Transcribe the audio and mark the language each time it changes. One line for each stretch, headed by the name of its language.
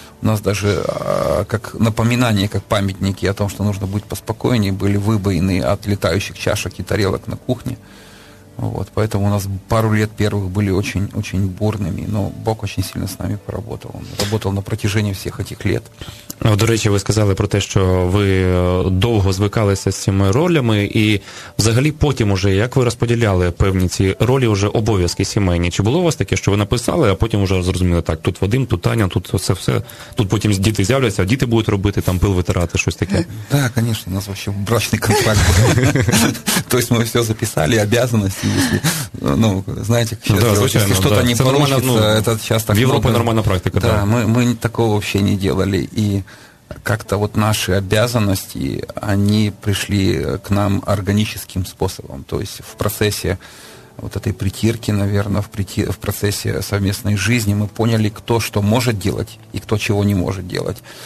Russian: У нас даже как напоминание, как памятники о том, что нужно быть поспокойнее, были выбоины от летающих чашек и тарелок на кухне. Вот, поэтому у нас пару лет первых были очень, очень бурными, но Бог очень сильно с нами поработал. Он работал на протяжении всех этих лет.
Ukrainian: До речі, ви сказали про те, що ви довго звикалися з цими ролями, і взагалі потім уже, як ви розподіляли певні ці ролі, вже обов'язки сімейні? Чи було у вас таке, що ви написали, а потім вже зрозуміли, так, тут Вадим, тут Таня, тут це все, тут потім діти з'являться, а діти будуть робити, там пил витирати, щось таке? Так, звісно, у нас взагалі брачний контракт. Тобто ми все записали, обов'язки, якщо, ну, знаєте, якщо щось не вийшло, в Європі нормальна практика. Так, ми такого взагалі не робили, і
Russian: как-то вот наши обязанности, они пришли к нам органическим способом. То есть в процессе вот этой притирки, наверное, в процессе совместной жизни мы поняли, кто что может делать и кто чего не может делать.